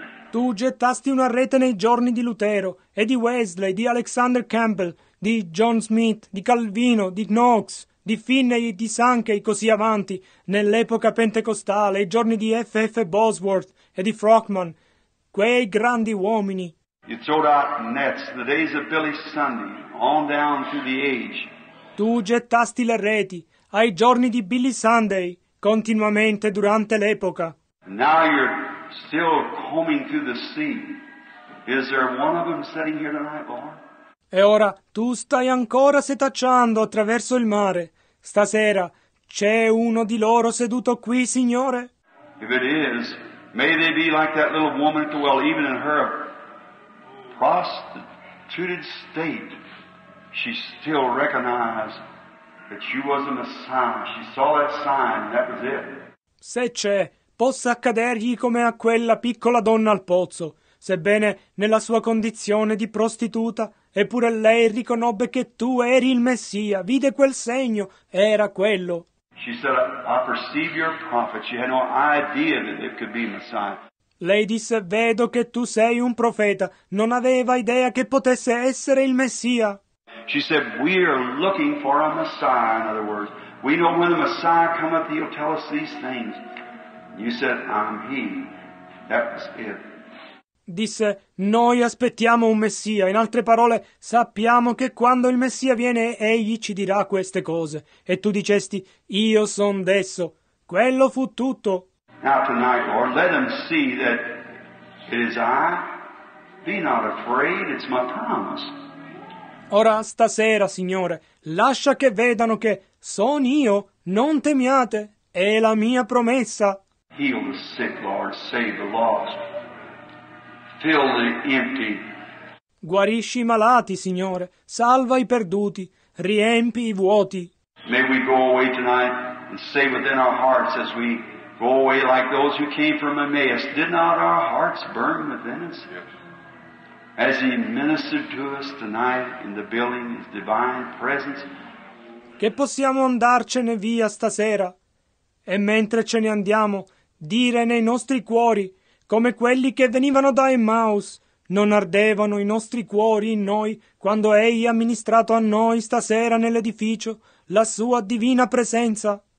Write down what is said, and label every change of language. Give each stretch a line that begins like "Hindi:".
Italian: Tu gettasti una rete nei giorni di Lutero e di Wesley, di Alexander Campbell, di John Smith, di Calvino, di Knox, di Finney, di Sankey, così avanti, nell'epoca pentecostale, i giorni di F.F. Bosworth e di Frohman, quei grandi uomini.
English: You throw out nets, the days of Billy Sunday, on down through the age.
Italian: Tu gettasti le reti ai giorni di Billy Sunday, continuamente durante l'epoca.
English: Now you're still combing through the sea. Is there one of them sitting here tonight, Lord?
Italian: E ora tu stai ancora setacciando attraverso il mare. Stasera c'è uno di loro seduto qui, Signore?
English: If it is, may they be like that little woman at the well, even in her prostituted state, she still recognized that you was a Messiah. She saw that sign, that was it.
Italian: Se c'è, possa accadergli come a quella piccola donna al pozzo, sebbene nella sua condizione di prostituta, eppure lei riconobbe che tu eri il Messia, vide quel segno, era quello.
English: She said, I perceive your prophet. She had no idea that it could be Messiah.
Italian: Lei disse, vedo che tu sei un profeta, non aveva idea che potesse essere il Messia.
English: She said, we are looking for a Messiah, in other words. We know when the Messiah cometh, he'll tell us these things. You said, I'm he. That was it.
Italian: Disse, noi aspettiamo un Messia. In altre parole, sappiamo che quando il Messia viene, egli ci dirà queste cose. E tu dicesti, io son desso. Quello fu tutto.
English: Now tonight, Lord, let them see that it is I. Be not afraid, it's my promise.
Italian: Ora stasera, Signore, lascia che vedano che son io, non temiate, è la mia promessa.
English: Heal the sick, Lord, save the lost. Fill the empty.
Italian: Guarisci i malati, Signore, salva i perduti, riempi i vuoti.
English: May we go away tonight and say within our hearts as we go away like those who came from Emmaus, did not our hearts burn within us? As he ministered to us tonight in the building, his divine presence.
Italian: Che possiamo andarcene via stasera e mentre ce ne andiamo dire nei nostri cuori come quelli che venivano da Emmaus non ardevano i nostri cuori in noi quando egli ha ministrato a noi stasera nell'edificio la sua divina presenza.